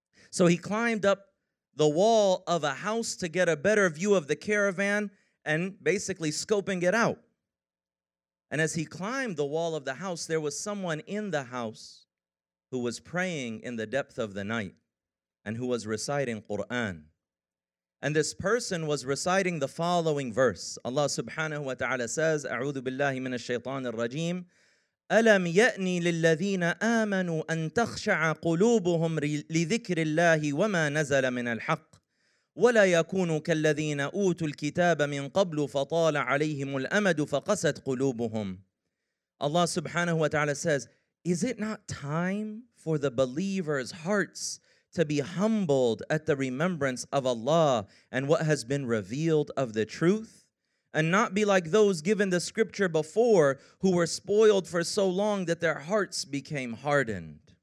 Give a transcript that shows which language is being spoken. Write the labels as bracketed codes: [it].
[en] So he climbed up the wall of a house to get a better view of the caravan and basically scoping it out. And as he climbed the wall of the house, there was someone in the house who was praying in the depth of the night and who was reciting Quran. And this person was reciting the following verse. Allah subhanahu wa ta'ala says, [ar] أعوذ بالله من الشيطان الرجيم ألم يأني للذين آمنوا أن تخشع قلوبهم لذكر الله وما نزل من الحق ولا يكونوا كالذين أوتوا الكتاب من قبل فطال عليهم الأمد فقست قلوبهم. [en] Allah subhanahu wa ta'ala says, is it not time for the believers' hearts to be humbled at the remembrance of Allah and what has been revealed of the truth? And not be like those given the scripture before who were spoiled for so long that their hearts became hardened.